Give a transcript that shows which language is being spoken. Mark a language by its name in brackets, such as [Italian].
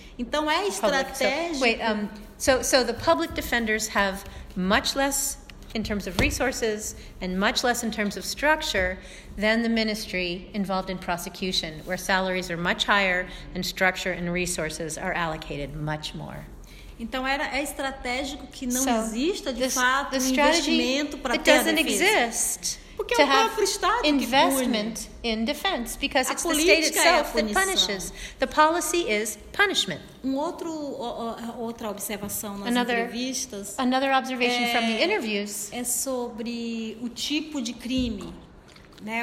[Portuguese] então é estratégico. [English] So the public defenders have much less in terms of resources and much less in terms of structure than the ministry involved in prosecution where salaries are much higher and structure and resources are allocated much more. [Portuguese] Então é estratégico que não exista de fato investimento para ter a defesa. [English] It doesn't exist. [Portuguese] Porque é o próprio Estado que pune. [English] Investment in defense because it's the state itself that punishes. The policy is punishment. [Portuguese] Outra observação nas entrevistas. [English] Another observation from the interviews. [Portuguese] É sobre o tipo de crime, né?